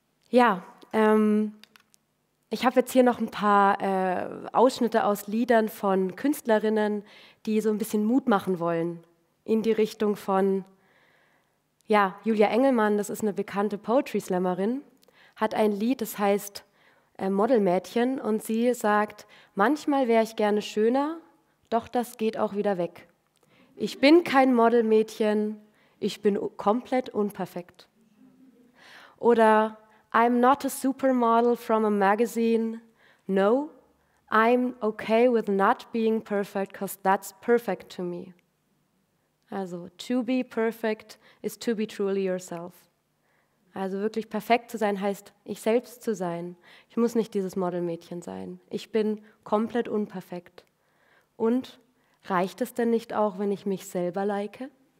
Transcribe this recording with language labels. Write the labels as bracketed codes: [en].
[de] Ja, ich habe jetzt hier noch ein paar Ausschnitte aus Liedern von Künstlerinnen, die so ein bisschen Mut machen wollen in die Richtung von, ja, Julia Engelmann, das ist eine bekannte Poetry-Slammerin, hat ein Lied, das heißt Modelmädchen, und sie sagt: Manchmal wäre ich gerne schöner, doch das geht auch wieder weg. Ich bin kein Modelmädchen, ich bin komplett unperfekt. Oder [en] I'm not a supermodel from a magazine. No, I'm okay with not being perfect, because that's perfect to me. Also, to be perfect is to be truly yourself. [de] Also wirklich perfekt zu sein heißt, ich selbst zu sein. Ich muss nicht dieses Modelmädchen sein. Ich bin komplett unperfekt. Und reicht es denn nicht auch, wenn ich mich selber like?